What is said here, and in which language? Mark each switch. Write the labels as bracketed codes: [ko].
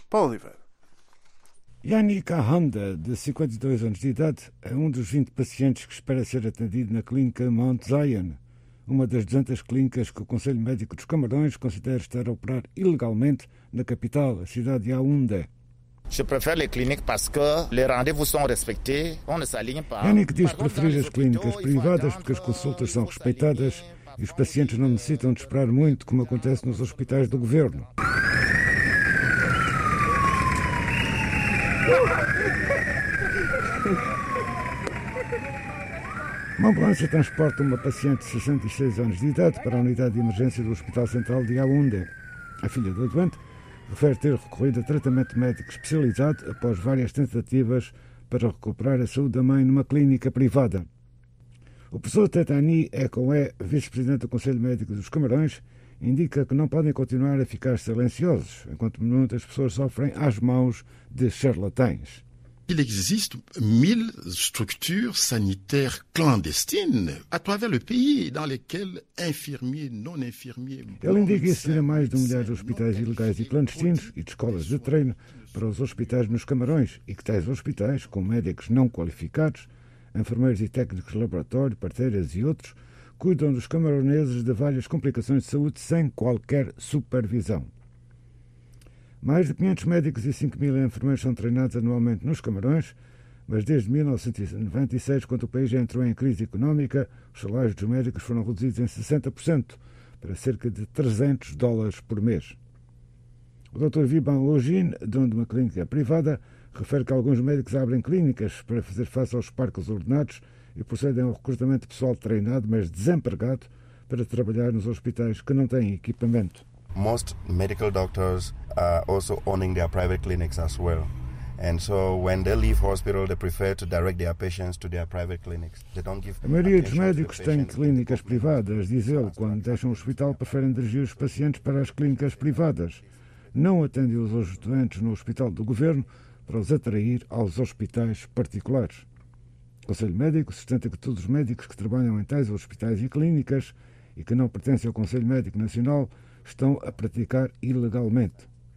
[pt] Paulo Oliveira. Yannick Ahanda, de 52 anos de idade, é um dos 20 pacientes que espera ser atendido na clínica Mount Zion, uma das 200 clínicas que o Conselho Médico dos Camarões considera estar a operar ilegalmente na capital, a cidade de Yaoundé. [fr] Je préfère les cliniques parce que les rendez-vous sont respectés, on ne s'aligne pas. [pt] Henrik diz preferir as clínicas privadas porque as consultas são respeitadas e os pacientes não necessitam de esperar muito, como acontece nos hospitais do governo. Uma ambulância transporta uma paciente de 66 anos de idade para a unidade de emergência do Hospital Central de Yaoundé. A filha do doente refere ter recorrido a tratamento médico especializado após várias tentativas para recuperar a saúde da mãe numa clínica privada. O professor Tetani Ekoé, vice-presidente do Conselho Médico dos Camarões, indica que não podem continuar a ficar silenciosos, enquanto muitas pessoas sofrem às mãos de charlatães. [fr] Il existe 1000 structures sanitaires clandestines à travers le pays dans lesquelles infirmiers, non-infirmiers... [pt] Ele indica existir mais de 1 milhão de hospitais ilegais e clandestinos e de escolas de treino para os hospitais nos Camarões e que tais hospitais, com médicos não qualificados, enfermeiros e técnicos de laboratório, parteiras e outros, cuidam dos camaroneses de várias complicações de saúde sem qualquer supervisão. Mais de 500 médicos e 5 mil enfermeiros são treinados anualmente nos Camarões, mas desde 1996, quando o país já entrou em crise económica, os salários dos médicos foram reduzidos em 60%, para cerca de $300 por mês. O Dr. Viban Ogin, dono de uma clínica privada, refere que alguns médicos abrem clínicas para fazer face aos parques ordenados e procedem ao recrutamento de pessoal treinado, mas desempregado, para trabalhar nos hospitais que não têm equipamento. [en] Most medical doctors are also owning their private clinics as well. And so when they leave hospital, they prefer to direct their patients to their private clinics. They don't give [pt] A maioria dos médicos tem clínicas privadas, diz ele. Quando deixam o hospital, preferem dirigir os pacientes para as clínicas privadas. Não atendem os doentes no hospital do governo para os atrair aos hospitais particulares. O Conselho Médico sustenta que todos os médicos que trabalham em tais hospitais e clínicas e que não pertencem ao Conselho Médico Nacional estão a praticar ilegalmente.